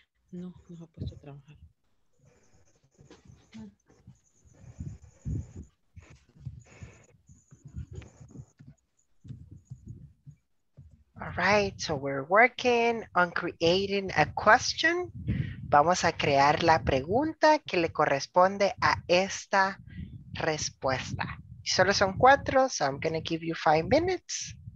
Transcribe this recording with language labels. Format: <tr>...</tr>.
<es>No, nos ha puesto a trabajar.</es> <en>All right, so we're working on creating a question.</en> <es>Vamos a crear la pregunta que le corresponde a esta respuesta. Solo son 4,</es> <en>so I'm going to give you 5 minutes.</en>